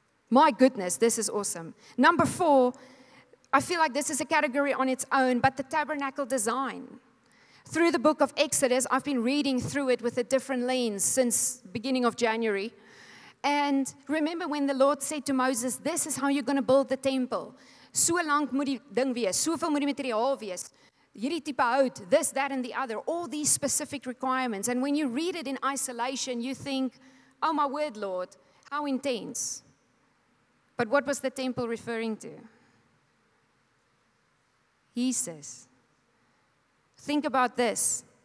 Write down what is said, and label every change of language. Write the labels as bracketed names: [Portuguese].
[English] My goodness, this is awesome. Number four, I feel like this is a category on its own, but the tabernacle design. Through the book of Exodus, I've been reading through it with a different lens since beginning of January. And remember when the Lord said to Moses, this is how you're going to build the temple. [Afrikaans] So lang moet die ding wees, soveel moet die materiaal wees. Hierdie tipe hout, [English] this, that, and the other. All these specific requirements. And when you read it in isolation, you think, oh my word, Lord, how intense. But what was the temple referring to? Jesus. Think about this.